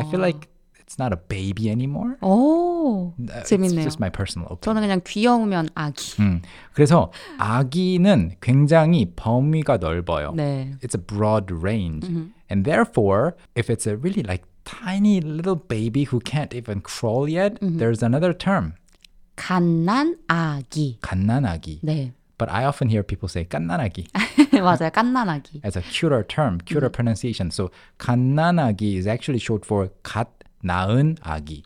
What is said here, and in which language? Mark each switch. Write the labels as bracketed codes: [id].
[en] I feel like it's not a baby anymore. [ko] Oh, 재밌네요. [en] It's just my personal opinion. [ko] 저는 그냥 귀여우면 아기. 그래서 아기는 굉장히 범위가 넓어요. 네. [en] It's a broad range. Mm-hmm. And therefore, if it's a really like tiny little baby who can't even crawl yet, mm-hmm. there's another term. [ko] 갓난아기. 갓난아기. 네. [en] But I often hear people say 갓난아기. [ko] 맞아요, 갓난아기. [en] As a cuter term, cuter pronunciation. So 갓난아기 is actually short for [ko] 갓. 낳은 아기.